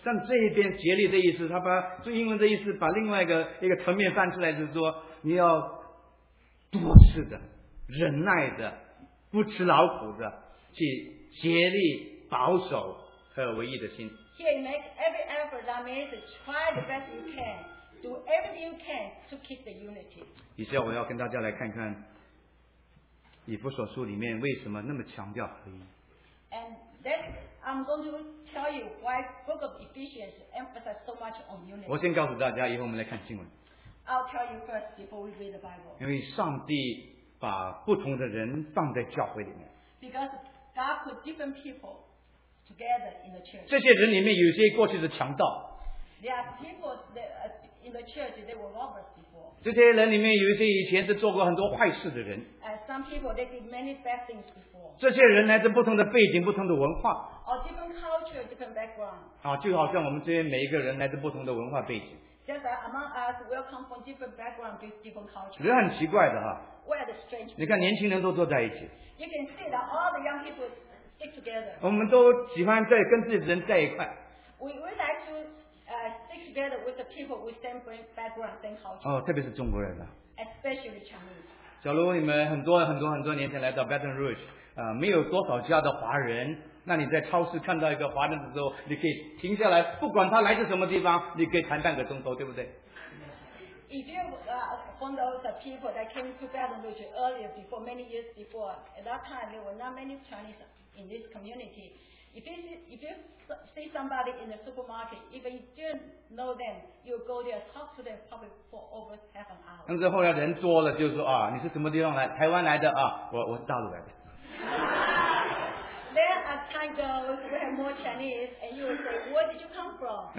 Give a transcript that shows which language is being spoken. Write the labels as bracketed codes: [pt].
[zh] 但这一边竭力的意思，他把用英文的意思把另外一个层面翻出来，就是说你要多次的忍耐的不吃劳苦的去竭力保守和唯一的心。 [en] Here, make every effort. That means try the best you can. Do everything you can to keep the unity. [zh] 以下我要跟大家来看看以弗所书里面为什么那么强调合一。 [en] And then I'm going to tell you why Book of Ephesians emphasizes so much on unity. [zh] 我先告诉大家，以后我们来看经文。 [en] I'll tell you first before we read the Bible. [zh] 因为上帝把不同的人放在教会里面。 [en] Because God put different people. Together in the church. [zh] 这些人里面有些过去是强盗。 [en] There are people in the church they were robbers before. [zh] 这些人里面有一些以前是做过很多坏事的人。 [en] And some people they did many bad things before. [zh] 这些人来自不同的背景、不同的文化。 [en] Or different culture, different background. [zh] 啊，就好像我们这边每一个人来自不同的文化背景。 [en] Just like among us, we all come from different background, different culture. [zh] 人很奇怪的哈。 [en] We are the strange people. [zh] 你看年轻人都坐在一起。 [en] You can see that all the young people. Together. [zh] 我们都喜欢在跟自己的人在一块。 [en] We like to stick together with the people with same background, same culture. [zh] 哦，特别是中国人的。 [en] Especially Chinese. [zh] 假如你们很多很多很多年前来到 Baton Rouge， 没有多少家的华人，那你在超市看到一个华人的时候，你可以停下来，不管他来自什么地方，你可以谈半个钟头，对不对？ [en] If you from those people that came to Baton Rouge earlier, before many years before, at that time there were not many Chinese in this community. If you see somebody in the supermarket, even if you didn't know them, you go there talk to them probably for over half an hour. [zh] 但是后来人多了，就说啊，你是什么地方来？台湾来的啊，我是大陆来的。 [en] Then as time goes, we have more Chinese, and you will say, where did you come from?